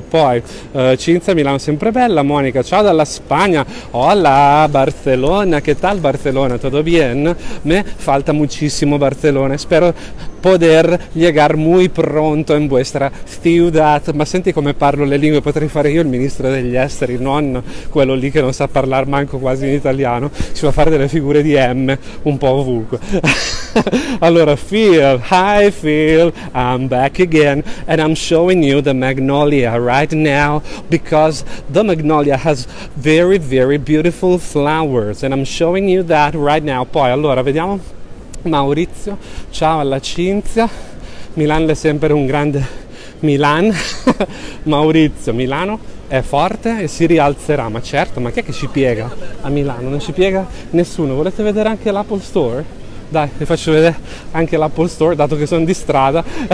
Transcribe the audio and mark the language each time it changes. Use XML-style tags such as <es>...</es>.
<it>Poi Cinzia, Milano sempre bella, Monica ciao dalla Spagna,</it> <es>hola Barcelona, che tal Barcelona, todo bien, me falta muchísimo Barcelona, spero poder llegar muy pronto en vuestra ciudad.</es> <it>That. Ma senti come parlo le lingue, potrei fare io il ministro degli esteri, non quello lì che non sa parlare manco quasi in italiano, si fa fare delle figure di M un po' ovunque.</it> <en>Allora, Phil, hi Phil, I'm back again and I'm showing you the magnolia right now because the magnolia has very very beautiful flowers and I'm showing you that right now.</en> <it>Poi, allora, vediamo Maurizio, ciao alla Cinzia, Milano è sempre un grande... Milan, Maurizio, Milano è forte e si rialzerà, ma certo, ma chi è che ci piega a Milano? Non ci piega nessuno. Volete vedere anche l'Apple Store? Dai, vi faccio vedere anche l'Apple Store, dato che sono di strada.</it>